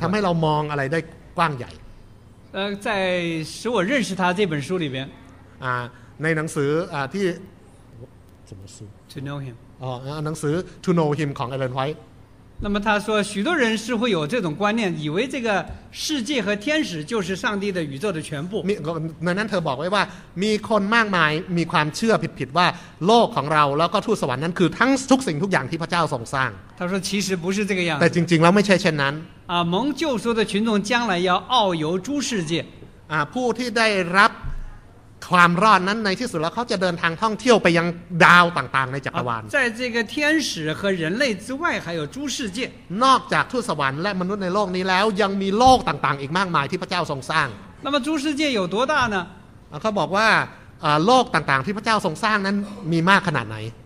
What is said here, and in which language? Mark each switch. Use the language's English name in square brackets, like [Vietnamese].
[Thai] ทำให้เรามองอะไรได้กว้างใหญ่ [Chinese] 在使我认识他这本书里边 [Thai] ในหนังสือที่ [Chinese] 怎么说 [English] to know him [Thai] หนังสือ to know him ของ Ellen White [Chinese] 那么他说许多人是会有这种观念以为这个世界和天使就是上帝的宇宙的全部 [Thai] นั้นเธอบอกไว้ว่ามีคนมากมายมีความเชื่อผิดๆว่าโลกของเราแล้วก็ทูตสวรรค์นั้นคือทั้งทุกสิ่งทุกอย่างที่พระเจ้าทรงสร้าง [Chinese] 他说其实不是这个样 [Thai] 子แต่จริงๆแล้วไม่ใช่เช่นนั้น [Chinese] 蒙救赎的群众将来要遨游诸世界 [Thai] ผู้ที่ได้รับความรอดนั้นในที่สุดแล้วเขาจะเดินทางท่องเที่ยวไปยังดาวต่างๆในจักรวาล [Chinese] 在这个天使和人类之外还有诸世界 [Thai] นอกจากทูตสวรรค์และมนุษย์ในโลกนี้แล้วยังมีโลกต่างๆอีกมากมายที่พระเจ้าทรงสร้าง [Chinese] 那么诸世界有多大呢 [Thai] เขาบอกว่าโลกต่างๆที่พระเจ้าทรงสร้างนั้นมีมากขนาดไหน